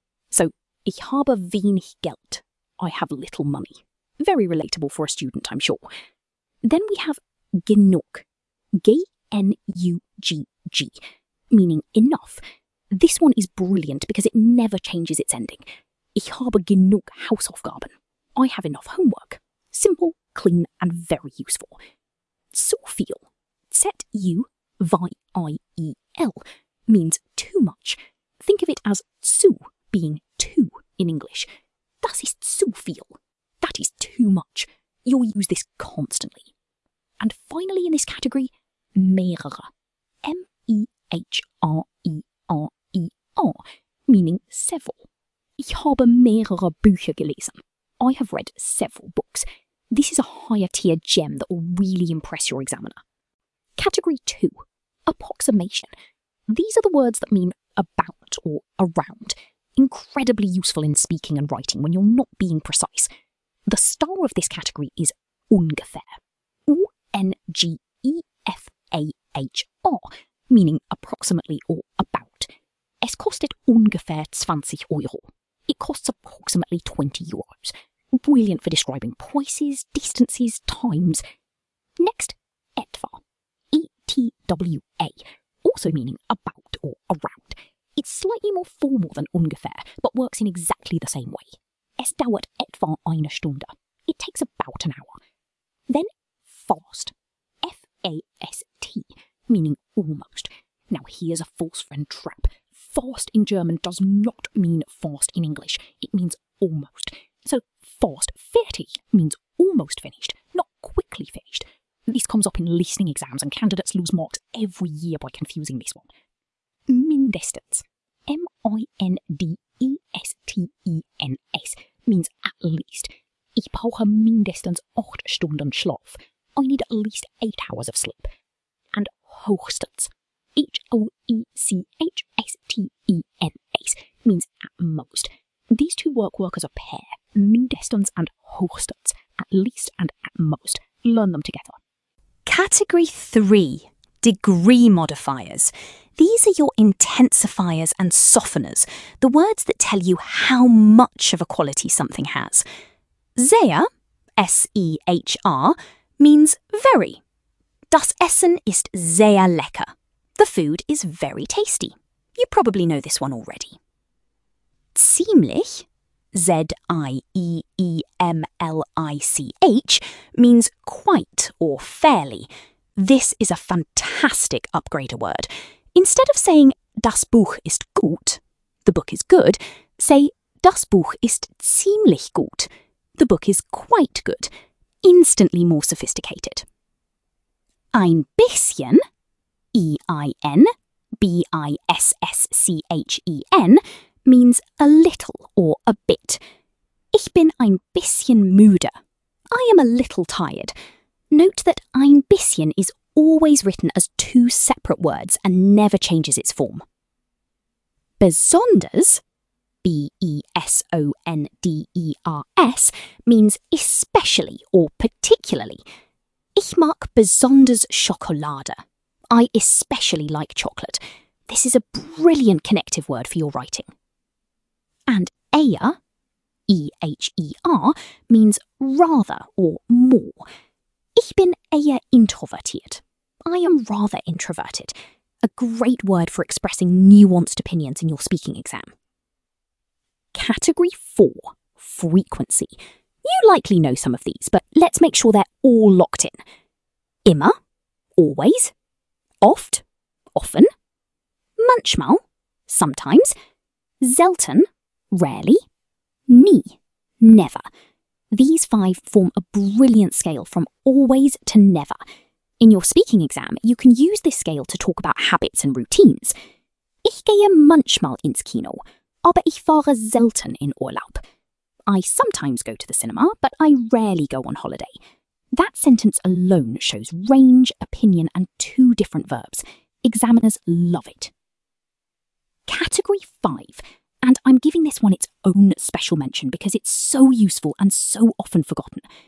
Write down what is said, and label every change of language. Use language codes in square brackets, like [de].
[de] So, ich habe wenig Geld, [en] I have little money. Very relatable for a student, I'm sure. Then we have genug, G-N-U-G-G, meaning enough. This one is brilliant because it never changes its ending. [de] Ich habe genug Hausaufgaben, [en] I have enough homework. Simple, clean and very useful. So viel, Z-U-V-I-E-L, means too much. Think of it as zu being too in English. [de] Das ist zu viel. [en] That is too much. You'll use this constantly. And finally in this category, mehrere. M-E-H-R-E-R-E-R, meaning several. [de] Ich habe mehrere Bücher gelesen. [en] I have read several books. This is a higher tier gem that will really impress your examiner. Category 2. Approximation. These are the words that mean about or around. Incredibly useful in speaking and writing when you're not being precise. The star of this category is ungefähr. U-N-G-E-F-A-H-R, meaning approximately or about. [de] Es kostet ungefähr 20 Euro. [en] It costs approximately 20 euros. Brilliant for describing prices, distances, times. Next, etwa. E-T-W-A. Also meaning about or around. It's slightly more formal than ungefähr, but works in exactly the same way. [de] Es dauert etwa eine Stunde. [en] It takes about an hour. Then, fast. F-A-S-T. Meaning almost. Now here's a false friend trap. Fast in German does not mean fast in English. It means almost. So, fast, fertig, means almost finished, not quickly finished. This comes up in listening exams and candidates lose marks every year by confusing this one. Mindestens, M-I-N-D-E-S-T-E-N-S, means at least. [de] Ich brauche mindestens 8 Stunden Schlaf. [en] I need at least 8 hours of sleep. And hochstens, H-O-E-C-H-S-T-E-N-S, means at most. These two work as a pair. Mindestens and hochstens, at least and at most. Learn them together. Category 3. Degree modifiers. These are your intensifiers and softeners, the words that tell you how much of a quality something has. Sehr, S-E-H-R, means very. [de] Das Essen ist sehr lecker. [en] The food is very tasty. You probably know this one already. Ziemlich, Z-I-E-E-M-L-I-C-H, means quite or fairly. This is a fantastic upgrader word. Instead of saying [de] das Buch ist gut, [en] the book is good, say [de] das Buch ist ziemlich gut, [en] the book is quite good, instantly more sophisticated. Ein bisschen, E-I-N-B-I-S-S-C-H-E-N, means a little or a bit. [de] Ich bin ein bisschen müde. [en] I am a little tired. Note that ein bisschen is always written as two separate words and never changes its form. Besonders, B-E-S-O-N-D-E-R-S, means especially or particularly. [de] Ich mag besonders Schokolade. [en] I especially like chocolate. This is a brilliant connective word for your writing. And eher, E-H-E-R, means rather or more. [de] Ich bin eher introvertiert. [en] I am rather introverted. A great word for expressing nuanced opinions in your speaking exam. Category 4, frequency. You likely know some of these, but let's make sure they're all locked in. Immer, always. Oft, often. Manchmal, sometimes. Selten, rarely. Nie, never. These five form a brilliant scale from always to never. In your speaking exam, you can use this scale to talk about habits and routines. [de] Ich gehe manchmal ins Kino, aber ich fahre selten in Urlaub. [en] I sometimes go to the cinema, but I rarely go on holiday. That sentence alone shows range, opinion, and two different verbs. Examiners love it. Category 5, and I'm giving this one its own special mention because it's so useful and so often forgotten.